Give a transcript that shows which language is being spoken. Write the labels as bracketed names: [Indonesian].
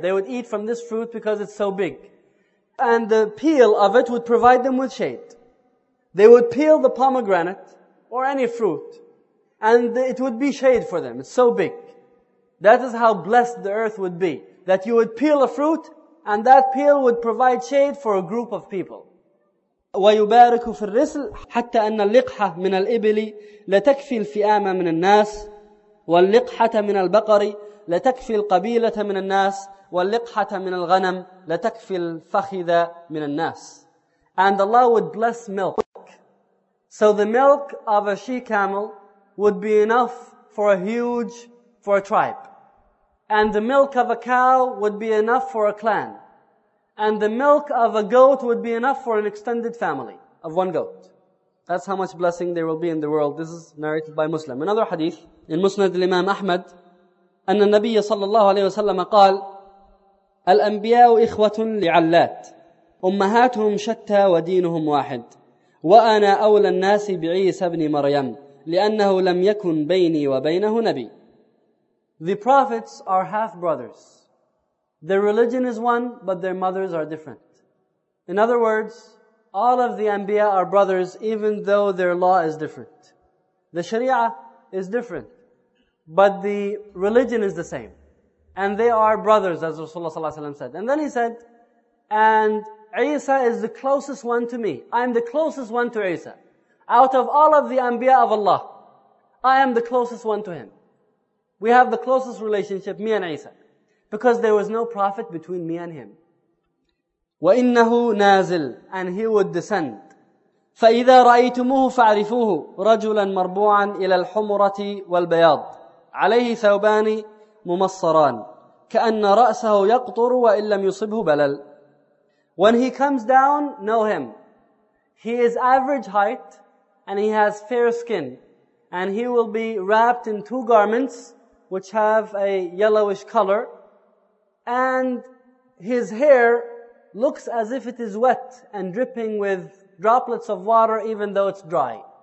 [English] They would eat from this fruit because it's so big. And the peel of it would provide them with shade. They would peel the pomegranate or any fruit, and it would be shade for them. It's so big. That is how blessed the earth would be. That you would peel a fruit, and that peel would provide shade for a group of people. [Arabic] ويبارك في الرسل حتى أن اللقحة من الإبل لتكفي الفئام من الناس واللقحة من البقر لتكفي القبيلة من الناس واللقحة من الغنم لتكفي الفخذ من الناس. [English] And Allah would bless milk. So the milk of a she camel would be enough for a huge, for a tribe. And the milk of a cow would be enough for a clan. And the milk of a goat would be enough for an extended family of one goat. That's how much blessing there will be in the world. This is narrated by Muslim. Another hadith, in Musnad al-Imam Ahmad, [Arabic] أن النبي صلى الله عليه وسلم قال الأنبياء إخوة لعلات أمهاتهم شتى ودينهم واحد وأنا أولى الناس بعيسى بن مريم لأنه لم يكن بيني وبينه نبي. [English] The prophets are half brothers. Their religion is one, but their mothers are different. In other words, all of the Anbiya are brothers, even though their law is different. The Sharia is different, but the religion is the same. And they are brothers, as Rasulullah ﷺ said. And then he said, and Isa is the closest one to me. I am the closest one to Isa. Out of all of the Anbiya of Allah, I am the closest one to him. We have the closest relationship, me and Isa. Because there was no prophet between me and him. [Arabic] وَإِنَّهُ نَازِلٌ [English] And he would descend. [Arabic] فَإِذَا رَأَيْتُمُهُ فَعْرِفُوهُ رَجُلًا مَرْبُوعًا إِلَى الْحُمُرَةِ وَالْبَيَاضِ عَلَيْهِ ثَوْبَانِ مُمَصَّرَانِ كَأَنَّ رَأْسَهُ يَقْطُرُ وَإِنْ لَمْ يُصِبْهُ بَلَلٌ [English] When he comes down, know him. He is average height and he has fair skin. And he will be wrapped in two garments which have a yellowish color. And his hair looks as if it is wet and dripping with droplets of water even though it's dry.